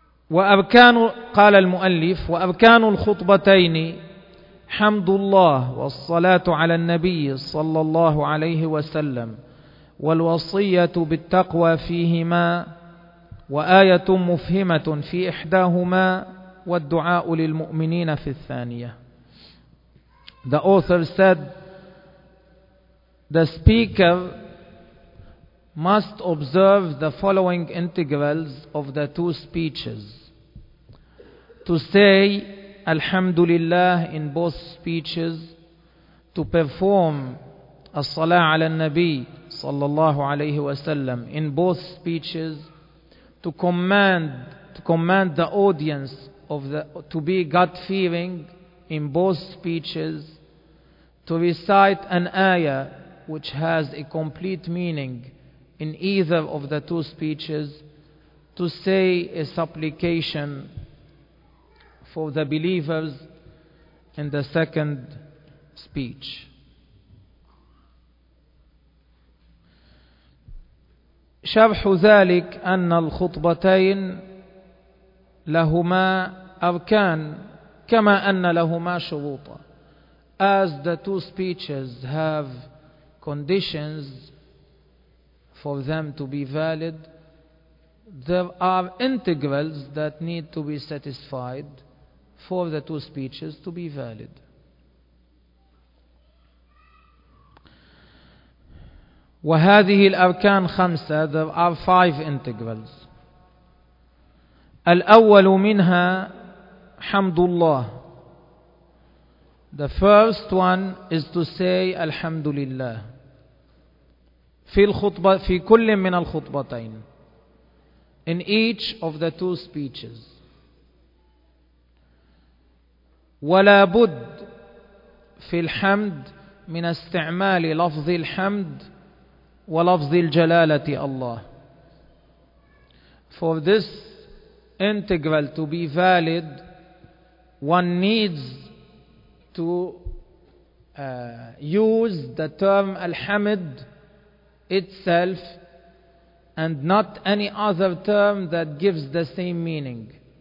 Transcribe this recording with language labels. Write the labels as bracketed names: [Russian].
[Arabic] وأركان، قال المؤلف، وأركان الخطبتين حمد الله والصلاة على النبي صلى الله عليه وسلم والوصية بالتقوى فيهما وآية مفهمة في إحداهما والدعاء للمؤمنين في الثانية. [English] The author said the speaker must observe the following integrals of the two speeches to say Alhamdulillah in both speeches, to perform As-Salah ala Nabi sallallahu alayhi wa sallam in both speeches, to command the audience of the to be God fearing in both speeches, to recite an ayah which has a complete meaning in either of the two speeches, to say a supplication for the believers in the second speech. [Arabic] شرح ذلك أن الخطبتين لهما أركان كما أن لهما شروط. [English] As the two speeches have conditions for them to be valid, there are integrals that need to be satisfied for the two speeches to be valid. [Arabic] وهذه الأركان خمسة, [English] there are five integrals. [Arabic] الأول منها حمد الله. [English] The first one is to say [Arabic] الحمد لله في الخطبة, في كل من الخطبتين. [English] In each of the two speeches. [Arabic] ولا بد في الحمد من استعمال لفظ الحمد ولفظ الجلالة الله. [English] For this integral to be valid, one needs to use the term Alhamd itself and not any other term that gives the same meaning.